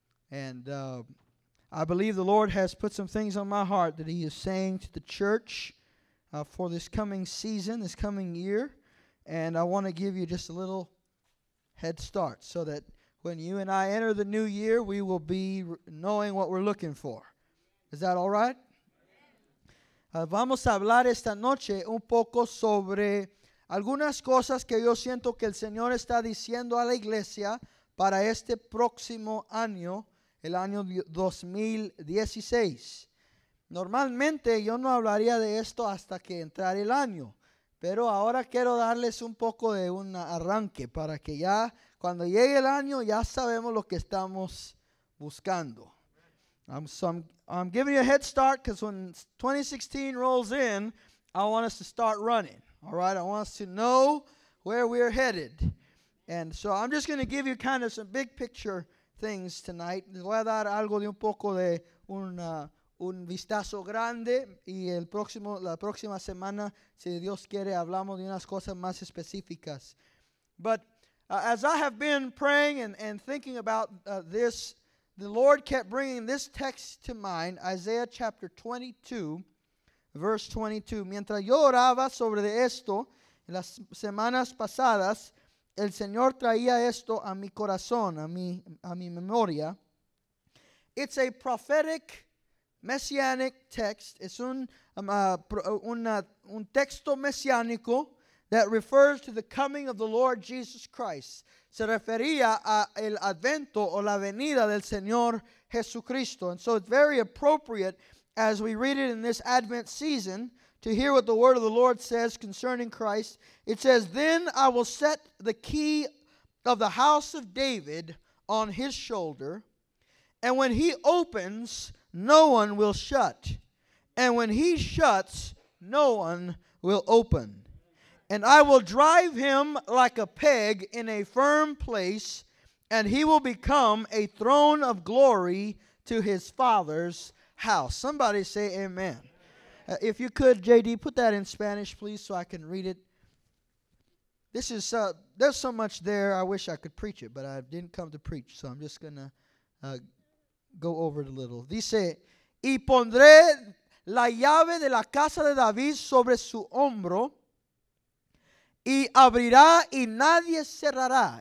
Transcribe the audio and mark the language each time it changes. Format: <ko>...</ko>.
<en>and I believe the Lord has put some things on my heart that He is saying to the church for this coming season, this coming year, and I want to give you just a little head start so that when you and I enter the new year, we will be knowing what we're looking for. Is that all right?</en> <es>Vamos a hablar esta noche un poco sobre algunas cosas que yo siento que el Señor está diciendo a la iglesia para este próximo año, el año 2016. Normalmente yo no hablaría de esto hasta que entrara el año, pero ahora quiero darles un poco de un arranque para que ya cuando llegue el año, ya sabemos lo que estamos buscando.</es> <en>I'm giving you a head start because when 2016 rolls in, I want us to start running. All right? I want us to know where we're headed. And so I'm just going to give you kind of some big picture things tonight.</en> <es>Les voy a dar algo de un poco de un vistazo grande. Y la próxima semana, si Dios quiere, hablamos de unas cosas más específicas.</es> <en>But as I have been praying and thinking about this, the Lord kept bringing this text to mind, Isaiah chapter 22, verse 22.</en> <es>Mientras yo oraba sobre esto, en las semanas pasadas, el Señor traía esto a mi corazón, a mi memoria.</es> <en>It's a prophetic, messianic text. Es un texto mesiánico that refers to the coming of the Lord Jesus Christ.</en> <es>Se refería a el advento o la venida del Señor Jesucristo.</es> <en>And so it's very appropriate as we read it in this Advent season to hear what the word of the Lord says concerning Christ. It says, "Then I will set the key of the house of David on his shoulder, and when he opens, no one will shut, and when he shuts, no one will open. And I will drive him like a peg in a firm place, and he will become a throne of glory to his father's house." Somebody say amen. If you could, JD, put that in Spanish, please, so I can read it. This is, there's so much there, I wish I could preach it, but I didn't come to preach, so I'm just going to go over it a little.</en> <es>Dice, "Y pondré la llave de la casa de David sobre su hombro, y abrirá y nadie cerrará."</es>